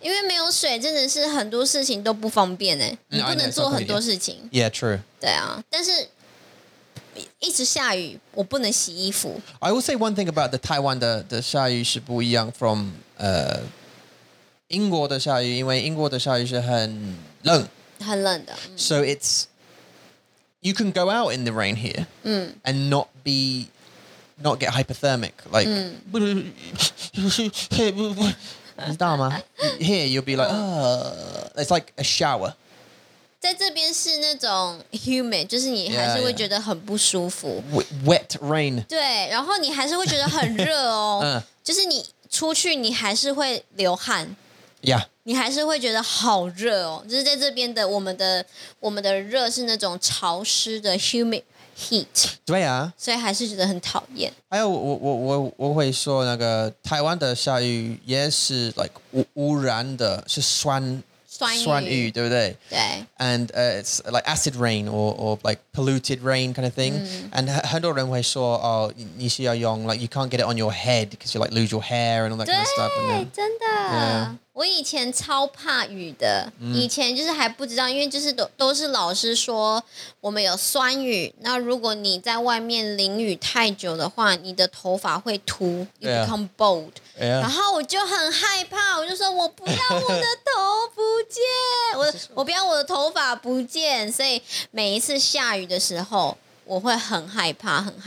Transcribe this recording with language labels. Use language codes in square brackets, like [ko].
[zh] 因为没有水真的是很多事情都不方便耶。你不能做很多事情。 [en] Yeah, true. [zh] 对啊。但是一直下雨,我不能洗衣服。 [en] I will say one thing about the Taiwan [zh] 的下雨是不一样 [en] from... [zh] 英国的下雨，因为英国的下雨是很冷，很冷的。 [en] So it's you can go out in the rain here, and not get hypothermic. Like, [zh] 你知道吗 [en] ？Here you'll be like, it's like a shower. [zh] 在这边是那种 humid, 就是你还是会觉得很不舒服。 [en] Wet rain. [zh] 对，然后你还是会觉得很热哦。就是你出去，你还是会流汗。 [en] Yeah. [zh] 你还是会觉得好热哦，就是在这边的我们的热是那种潮湿的 humid heat. 对啊，所以还是觉得很讨厌。还有我会说那个台湾的下雨也是 like 污染的，是酸雨，对不对？对。 [en] And it's like acid rain or like polluted rain kind of thing. And [zh] 很多人会说哦，你需要用 [en] like you can't get it on your head because you like lose your hair and all that kind of stuff. [zh] 对，真的。 [en] Yeah. [zh] 我以前超怕雨的、以前就是还不知道，因为就是 都是老师说我们有酸雨，那如果你在外面淋雨太久的话，你的头发会秃 [en] you become bald、 [zh] 然后我就很害怕，我就说我不要我的头不见我不要我的头发不见，所以每一次下雨的时候我会很害怕、